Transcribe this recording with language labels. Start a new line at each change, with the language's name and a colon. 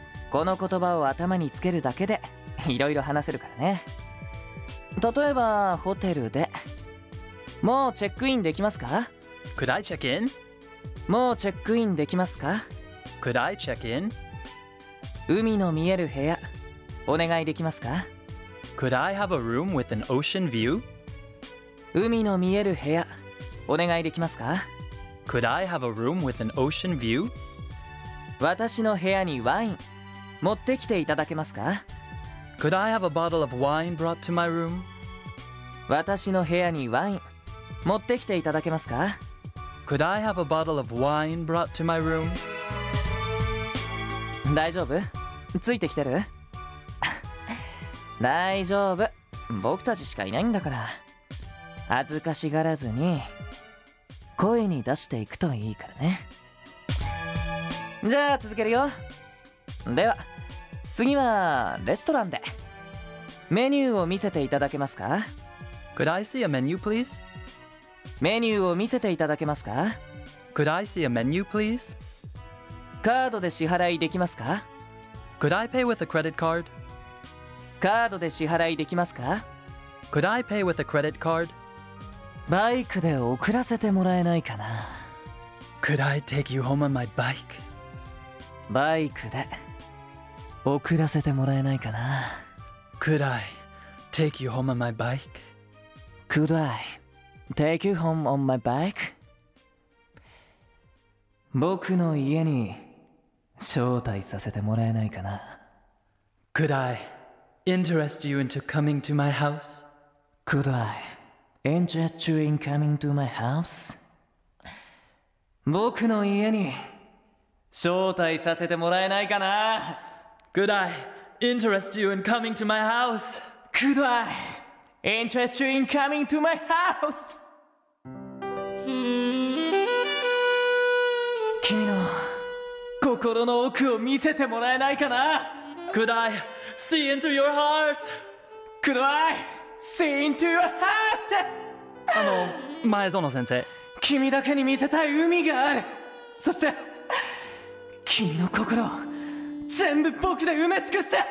Japanese: この言葉を頭につけるだけでいろいろ話せるからね。例えばホテルで、もうチェックインできますか？
English: Could I check in?
Japanese: もうチェックインできますか？
English: Could I check in?
Japanese: 海の見える部屋お願いできますか？
English: Could I have a room with an ocean view?
Japanese: 海の見える部屋お願いできますか？
English: Could I have a room with an ocean view?
Japanese: 私の部屋にワイン持ってきていただけますか？
English: Could I have a bottle of wine brought to my room?
Japanese: 私の部屋にワイン持ってきていただけますか？
English: Could I have a bottle of wine brought to my room?
Japanese: 大丈夫？ついてきてる？大丈夫、僕たちしかいないんだから。恥ずかしがらずに声に出していくといいからね。じゃあ続けるよ。では次はレストランでメニューを見せていただけますか？
English: Could I see a menu please?
Japanese: メニューを見せていただけますか？
English: Could I see a menu please?
Japanese: カードで支払いできますか？
English: Could I pay with a credit card?
Japanese: カードで支払いできますか？
English: Could I pay with a credit card?
Japanese: バイクで送らせてもらえないかな？
English: Could I take you home on my bike?
Japanese: バイクで送らせてもらえないかな？
English: Could I take you home on my bike? Could I take you home on my bike?
Japanese: 僕の家に招待させてもらえないかな？
English: Could I interest you into coming to my house? Could I interest you in coming to my house?
Japanese: 僕の家に招待させてもらえないかな？
English: Could I interest you in coming to my house? Could I interest you in coming to my house?
Japanese: 君の心の奥を見せてもらえないかな？
English: Could I see into your heart? Could I see into your heart?
Japanese: 前園先生、君だけに見せたい海がある。そして君の心を全部僕で埋め尽くして。